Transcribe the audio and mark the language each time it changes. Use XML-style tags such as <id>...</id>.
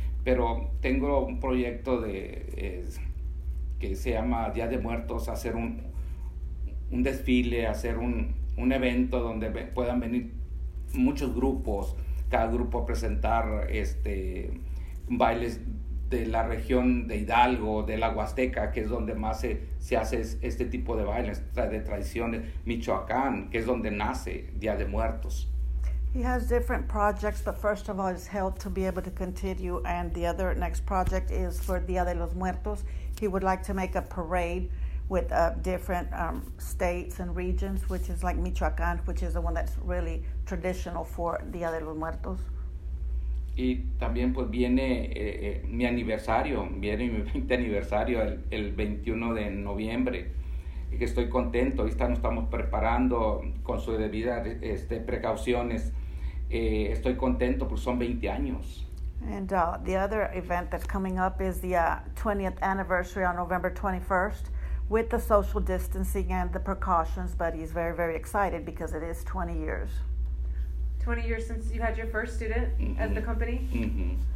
<es>Pero tengo un proyecto de que se llama Día de Muertos, hacer un desfile, hacer un evento donde puedan venir muchos grupos, cada grupo a presentar bailes de la región de Hidalgo, de la Huasteca, que es donde más se hace este tipo de bailes, de tradiciones, Michoacán, que es donde nace Día de Muertos.</es> <en>He has different projects, but first of all, his health to be able to continue, and the other next project is for Día de los Muertos. He would like to make a parade with different states and regions, which is like Michoacán, which is the one that's really traditional for Día de los Muertos.</en> <es>Y también pues viene mi aniversario, viene mi 20 aniversario el 21 de noviembre, y que estoy contento, ahorita nos estamos preparando con su debida precauciones, estoy contento porque son 20 años.</es> <en>And the other event that's coming up is the 20th anniversary on November 21st with the social distancing and the precautions, but he's very, very excited because it is 20 years. 20 years since you had your first student mm-hmm. at the company? Mm-hmm.</en>